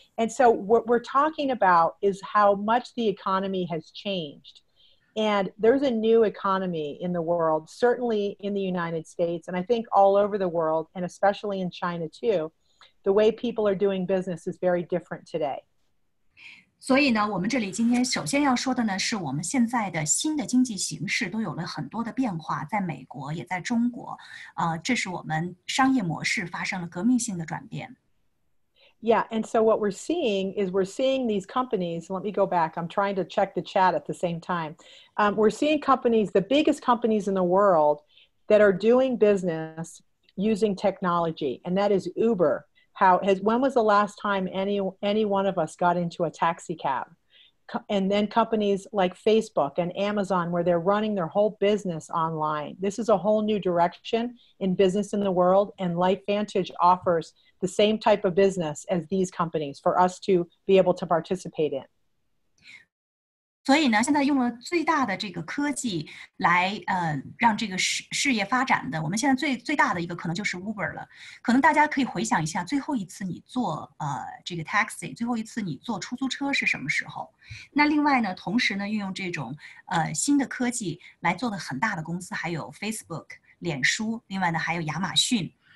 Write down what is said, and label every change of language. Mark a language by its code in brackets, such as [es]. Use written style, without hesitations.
[en] And so what we're talking about is how much the economy has changed. And there's a new economy in the world, certainly in the United States, and I think all over the world, and especially in China too. The way people are doing business is very different today. [zh] 所以呢，我们这里今天首先要说的呢，是我们现在的新的经济形势都有了很多的变化，在美国也在中国，这是我们商业模式发生了革命性的转变。 [en] Yeah, and so what we're seeing is we're seeing these companies, let me go back, I'm trying to check the chat at the same time. We're seeing companies, the biggest companies in the world that are doing business using technology, and that is Uber. When was the last time any one of us got into a taxi cab? And then companies like Facebook and Amazon, where they're running their whole business online. This is a whole new direction in business in the world, and Lifevantage offers the same type of business as these companies for us to be able to participate in. [zh] 所以呢，现在用了最大的这个科技来，让这个事业发展的，我们现在最大的一个可能就是 Uber 了。可能大家可以回想一下，最后一次你坐这个 taxi， 最后一次你坐出租车是什么时候？那另外呢，同时呢，运用这种新的科技来做的很大的公司，还有 Facebook、脸书，另外呢还有亚马逊。